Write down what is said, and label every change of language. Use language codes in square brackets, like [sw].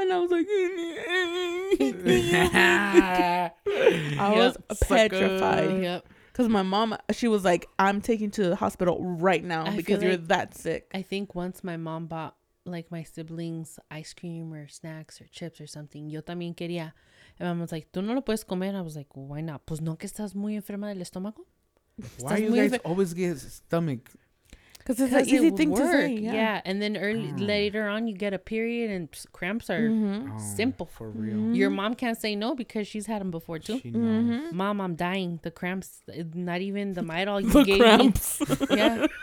[en] And I was like, petrified. Because my mom, she was like, I'm taking you to the hospital right now because you're that sick. I think once my mom bought like my siblings ice cream or snacks or chips or something. [es] Yo también quería. [en] And mom was like, [es] tú no lo puedes comer. [en] I was like, why not? [es] Pues no que estás muy enferma del estómago. [en] Why do you guys always get stomach? Because it's an easy thing to say. Yeah. Yeah. And then early, later on, you get a period and cramps are simple. For real. Mm-hmm. Your mom can't say no because she's had them before too. She knows. Mm-hmm. Mom, I'm dying. The cramps, not even the Midol you gave cramps. Me. Yeah.